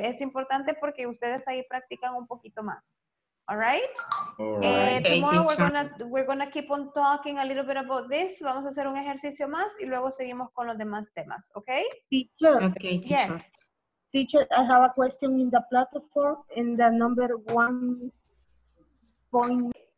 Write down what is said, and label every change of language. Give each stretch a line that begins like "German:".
Spanish: Es importante porque ustedes ahí practican un poquito más.
English: All right? All right. Tomorrow we're gonna keep on talking a little bit about this.
Spanish: Vamos a hacer un ejercicio más y luego seguimos con los demás temas, ¿okay?
English: Teacher. Okay, teacher. Yes. Teacher, I have a question in the platform in the number 1.9.